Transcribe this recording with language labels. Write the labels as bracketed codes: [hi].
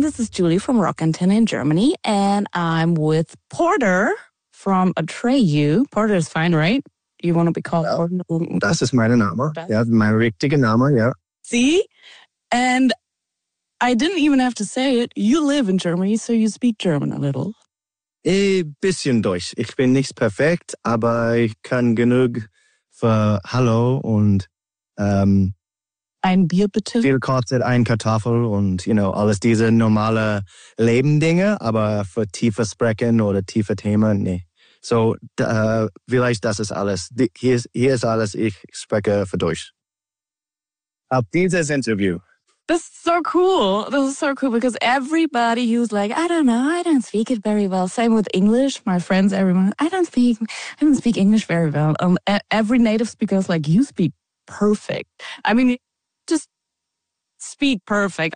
[en] This is Julie from Rock Antenna in Germany, and I'm with Porter from Atreyu. Porter is fine, right? You want to be called Porter? [de] Das ist mein Name. Das? Yeah, mein richtiger Name, yeah. [en] See? And I didn't even have to say it. You live in Germany, so you speak German a little. [de] Ein bisschen Deutsch. Ich bin nicht perfekt, aber ich kann genug für Hallo und ein Bier bitte. Viel kostet ein Kartoffel und, [en] you know, [de] alles diese normale Lebendinge, aber für tiefer Sprechen oder tiefer Themen, nee. So, vielleicht das ist alles. Hier ist alles, ich spreche für Deutsch. Auf dieses Interview. [en] This is so cool. This is so cool because everybody who's like, I don't know, I don't speak it very well. Same with English. My friends, everyone, I don't speak English very well. Every native speaker is like, you speak perfect. I mean, just speak perfect.